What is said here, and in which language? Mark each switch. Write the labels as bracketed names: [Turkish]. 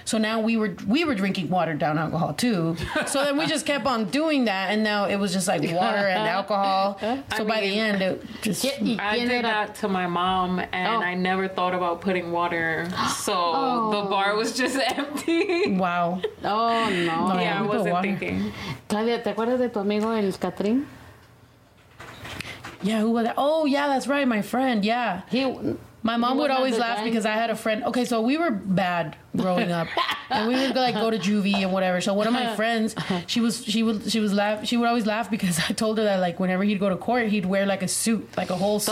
[English] So now we were drinking watered down alcohol too. So then we just kept on doing that. And now it was just like water and alcohol. So I mean, by the end, it just. I did that to my mom and I never thought about putting water. So the bar was just empty. Wow. Oh. no. Yeah, I wasn't thinking. [Spanish] Claudia, ¿te acuerdas de tu amigo, el Catrín? [English] Yeah, who was that? Oh, yeah, that's right, my friend, yeah. My mom would always laugh because I had a friend. Okay, so we were bad growing up. And we would go to juvie and whatever. So one of my friends, she would always laugh because I told her that whenever he'd go to court, he'd wear a suit, a whole suit.